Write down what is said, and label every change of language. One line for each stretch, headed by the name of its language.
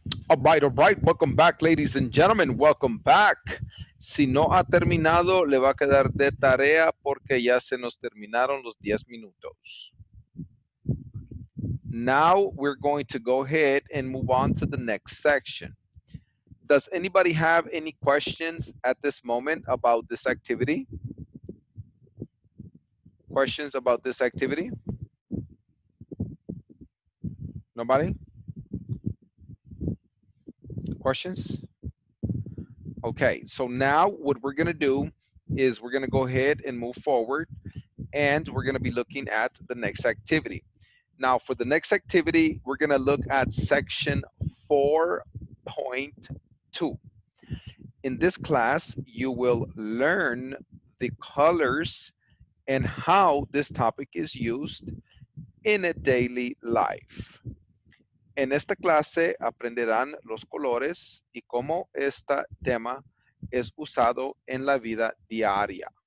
English: All right, welcome back, ladies and gentlemen. Welcome back.
Spanish: Si no ha terminado, le va a quedar de tarea porque ya se nos terminaron los 10 minutos.
English: Now we're going to go ahead and move on to the next section. Does anybody have any questions at this moment about this activity? Questions about this activity? Nobody? Questions? Okay, so now what we're going to do is we're going to go ahead and move forward and we're going to be looking at the next activity. Now for the next activity, we're going to look at section 4.2. In this class, you will learn the colors and how this topic is used in a daily life.
Spanish: En esta clase aprenderán los colores y cómo este tema es usado en la vida diaria.